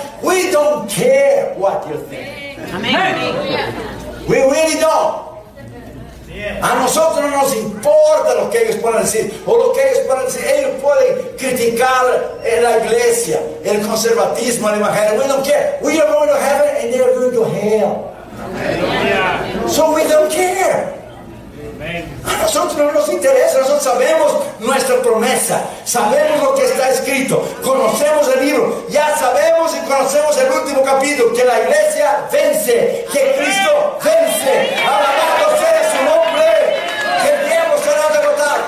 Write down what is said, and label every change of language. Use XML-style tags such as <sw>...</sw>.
<en>We don't care what you think.</en> <es>Amén.</es> <en>We really don't. Yeah.</en> <es>A nosotros no nos importa lo que ellos puedan decir o lo que ellos puedan decir. Ellos pueden criticar en la iglesia, el conservatismo, la imagen.</es> <en>We don't care. We are going to heaven and they are going to hell. So we don't care.</en> <es>A nosotros no nos interesa. Nosotros sabemos nuestra promesa, sabemos lo que está escrito, conocemos el libro, ya sabemos y conocemos el último capítulo, que la iglesia vence, que Cristo vence. Alabado sea su nombre, que el diablo será derrotado.</es>